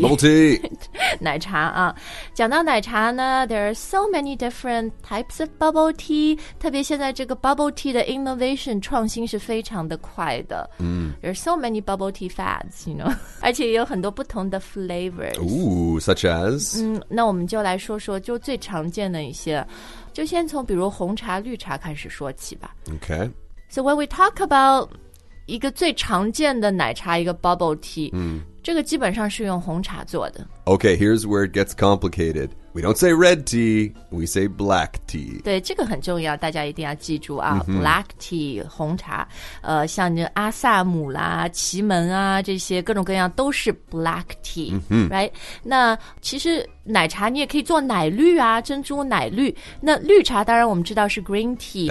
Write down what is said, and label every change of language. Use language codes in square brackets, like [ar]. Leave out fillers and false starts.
[en] Bubble tea! [zh] 奶茶啊。讲到奶茶呢 [en] there are so many different types of bubble tea. [zh] 特别现在这个 bubble tea 的 innovation 创新是非常的快的。嗯、 mm.。 [en] There are so many bubble tea fads, you know. [zh] 而且也有很多不同的 flavors. [en] Ooh, such as? [zh] 那我们就来说说就最常见的一些。就先从比如红茶、绿茶开始说起吧。 [en] Okay. So when we talk about... [zh] 一个最常见的奶茶一个 [en] bubble tea、 mm. [zh] 这个基本上是用红茶做的 [en] Okay, here's where it gets complicated. We don't say red tea, we say black tea. [zh] 对，这个很重要，大家一定要记住啊、 mm-hmm. black tea, 红茶、像阿萨姆啦奇门啊这些各种各样都是 black tea、 mm-hmm. right? 那其实奶茶你也可以做奶绿啊珍珠奶绿那绿茶当然我们知道是 green tea